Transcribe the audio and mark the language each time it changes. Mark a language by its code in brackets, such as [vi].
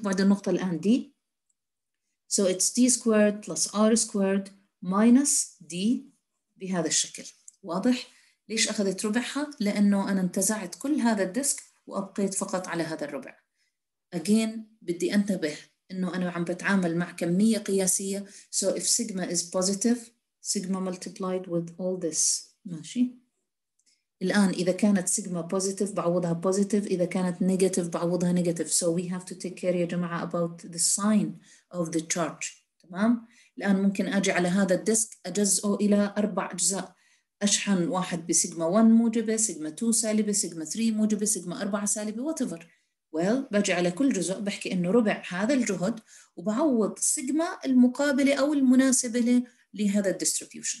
[ar] بعد النقطة الآن [en] D. So it's D squared plus R squared minus D [ar] بهذا الشكل. واضح؟ ليش أخذت ربعها؟ لأنه أنا انتزعت كل هذا الديسك وأبقيت فقط على هذا الربع. [en] Again, [ar] بدي أنتبه إنه أنا عم بتعامل مع كمية قياسية. [en] So if sigma is positive, sigma multiplied with all this. [ar] ماشي؟ الآن إذا كانت sigma positive بعوضها positive, إذا كانت negative بعوضها negative. [en] So we have to take care [ar] يا جماعة [en] about the sign of the charge. [ar] تمام؟ الآن ممكن أجي على هذا الديسك أجزئه إلى أربع أجزاء. أشحن واحد بسيجما 1 موجبة, سيجما 2 سالبة, سيجما 3 موجبة, سيجما 4 سالبة, whatever. Well, بجي على كل جزء بحكي إنه ربع هذا الجهد وبعوض سيجما المقابلة أو المناسبة لهذا الديستريبيوشن.